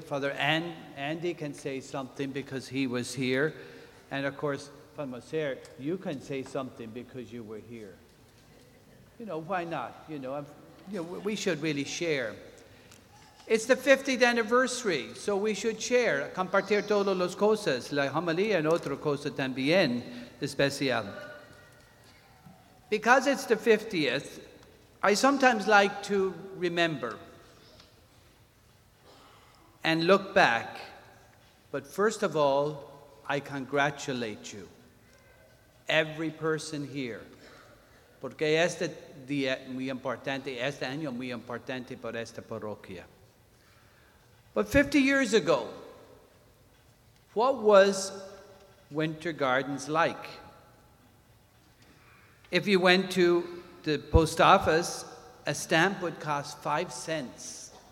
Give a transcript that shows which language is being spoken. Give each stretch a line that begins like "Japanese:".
English: Father Andy can say something because he was here. And of course, Father Moser, you can say something because you were here. You know, why not? You know, we should really share. It's the 50th anniversary, so we should share.
Spanish: Compartir todas las cosas, la homilía y otra cosa también especial.
English: Because it's the 50th, I sometimes like to remember and look back. But first of all, I congratulate you, every person here.
Spanish: Porque este día muy importante, este año muy importante por esta parroquia.
English: But 50 years ago, what was Winter Gardens like? If you went to the post office, a stamp would cost 5 cents.